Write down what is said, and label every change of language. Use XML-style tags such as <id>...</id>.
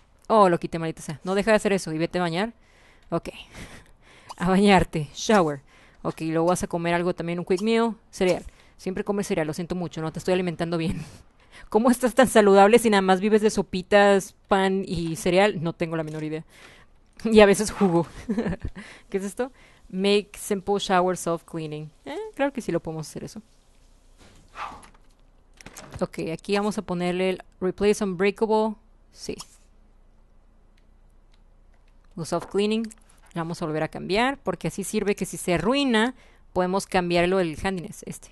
<es>Oh, lo quité, maldita sea. No deja de hacer eso y vete a bañar. Ok. A bañarte. Shower. Ok, luego vas a comer algo también, un</es> <en>quick meal.</en> <es>Cereal. Siempre come cereal, lo siento mucho, no te estoy alimentando bien. ¿Cómo estás tan saludable si nada más vives de sopitas, pan y cereal? No tengo la menor idea. Y a veces jugo. ¿Qué es esto?</es> <en>Make simple shower self-cleaning.</en> <es>Claro que sí lo podemos hacer eso. Ok, aquí vamos a ponerle el</es> <en>replace unbreakable.</en> <es>Sí. Un self-cleaning. Lo vamos a volver a cambiar porque así sirve que si se arruina, podemos cambiarlo el handiness.</es>